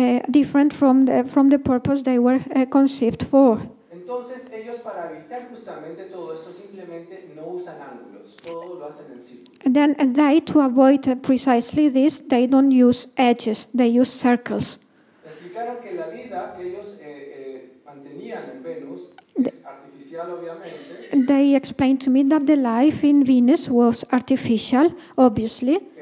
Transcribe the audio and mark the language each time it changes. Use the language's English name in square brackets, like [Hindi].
[English] Different from the purpose they were conceived for. [Spanish] Entonces, ellos para evitar justamente todo esto simplemente no usan ángulos, todo lo hacen en círculos. [English] Then they to avoid precisely this, they don't use edges, they use circles. [Spanish] Explicaron que la vida que ellos mantenían en Venus es artificial, obviamente. [English] They explained to me that the life in Venus was artificial, obviously.